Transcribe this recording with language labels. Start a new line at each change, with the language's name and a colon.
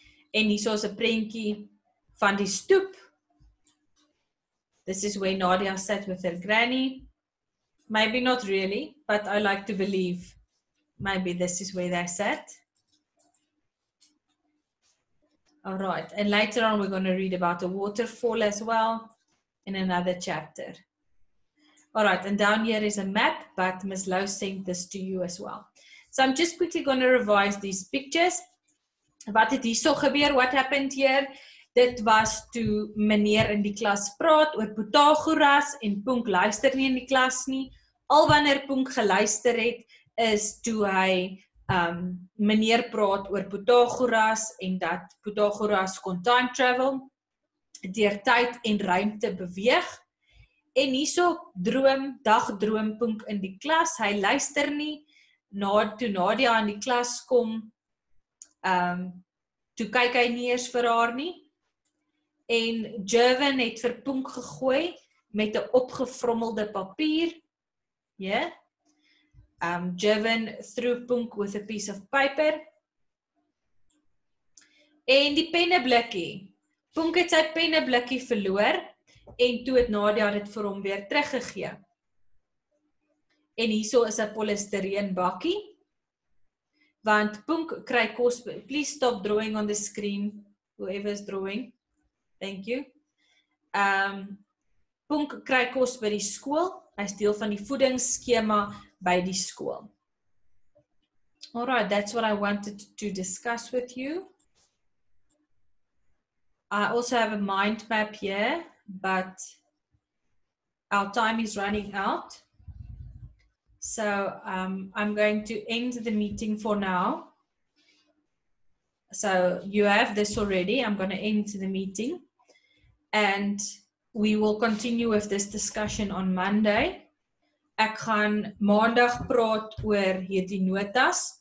Afrikaans: En hier is 'n prentjie van die stoep.
English: This is where Nadia sat with her granny. Maybe not really, but I like to believe maybe this is where they sat. All right, and later on we're going to read about the waterfall as well in another chapter. All right, and down here is a map, but Miss Lowe sent this to you as well. So I'm just quickly going to revise these pictures.
Afrikaans: Wat het hierso gebeur?
English: What happened here?
Afrikaans: Dit was toe meneer in die klas praat oor Pythagoras en Punk luister nie in die klas nie. Al wanneer Punk geluister het, is toe hy meneer praat oor Pythagoras en dat Pythagoras kon time travel, deur tyd en ruimte beweeg. En hierso droom, dagdroom Punk in die klas, hy luister nie. Toe Nadia in die klas kom, toe kyk hy nie eers vir haar nie. En Jervin het vir Punk gegooi met 'n opgevrommelde papier.
English: Yeah. Jervin threw Punk with a piece of paper.
Afrikaans: En die penneblikkie. Punk het sy penneblikkie verloor en toe het Nadia dit vir hom weer teruggegee. En hierso is 'n polistireen bakkie. Want Punk kry kos.
English: Please stop drawing on the screen. Whoever is drawing. Thank you.
Afrikaans: Punk kry kos by die skool. Hy is deel van die voedingsskema by die skool.
English: Alright, that's what I wanted to discuss with you. I also have a mind map here, but our time is running out. So I'm going to end the meeting for now. So you have this already. I'm going to end the meeting. And we will continue with this discussion on Monday.
Afrikaans: Ek gaan maandag praat oor hierdie notas.